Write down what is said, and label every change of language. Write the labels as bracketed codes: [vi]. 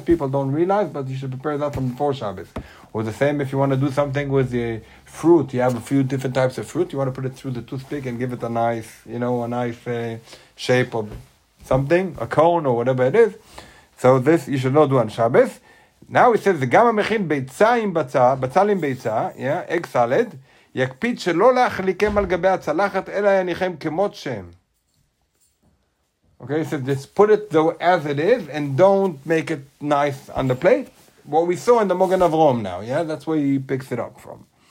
[en] People don't realize, but you should prepare that from before Shabbos. Or the same if you want to do something with the fruit, you have a few different types of fruit, you want to put it through the toothpick and give it a nice, you know, a nice shape of something, a cone or whatever it is. So this you should not do on Shabbos. Now it says the gamma mechin beitzaim batza, batzalim beitza, yeah, egg salad. [he] יקפיד שלא להחליקם על גבי הצלחת, אלא יניחם כמות שם. [en] Okay, so just put it though as it is, and don't make it nice on the plate. What we saw in the Magen Avraham now, yeah? That's where he picks it up from.